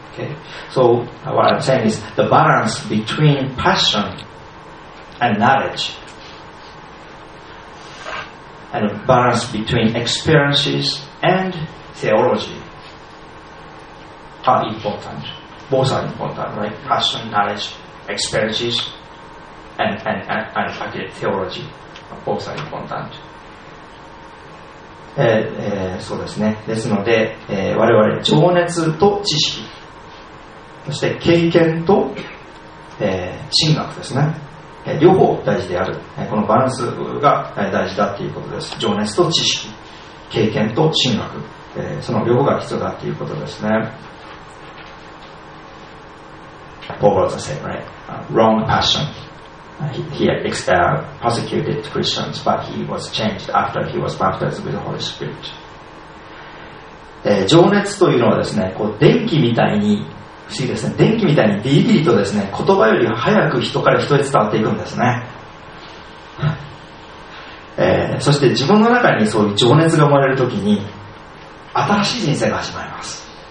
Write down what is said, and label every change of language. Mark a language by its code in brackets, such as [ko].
[en] Okay, so what I'm saying is the balance between passion and knowledge, and the balance between experiences and theology are important. Both are important, right? Passion, knowledge, experiences, and theology, both are important. [ja] そうですね。ですので、我々情熱と知識、そして経験と、神学ですね、両方大事である、このバランスが大事だということです。情熱と知識、経験と神学、その両方が必要だということですね。 [en] Paul was the same, right? Wrong passion. He persecuted Christians, but he was changed after he was baptized with the Holy Spirit. [ja] 情熱というのはですね、こう電気みたいに、不思議ですね、電気みたいにビリビリとですね、言葉より早く人から人へ伝わっていくんですね。そして自分の中にそういう情熱が生まれるときに新しい人生が始まります。